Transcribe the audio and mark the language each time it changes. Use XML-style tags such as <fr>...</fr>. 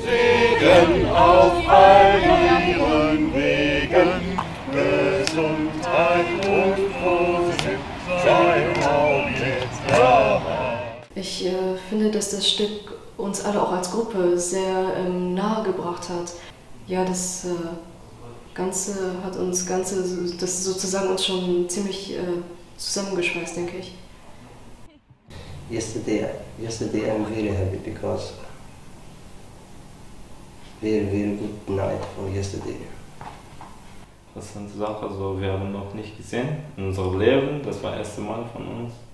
<de>Segen auf all ihren Wegen, Gesundheit und Frohsinn sei auch jetzt da. Ich finde, dass das Stück uns alle auch als Gruppe sehr nahe gebracht hat. Ja, das Ganze hat uns Ganze, das sozusagen uns schon ziemlich zusammengeschweißt, denke ich.</de> <en>Yesterday I'm very happy because very, very good night for yesterday.</en> <de>Das ist eine Sache, also wir haben noch nicht gesehen in unserem Leben, das war das erste Mal von uns.</de>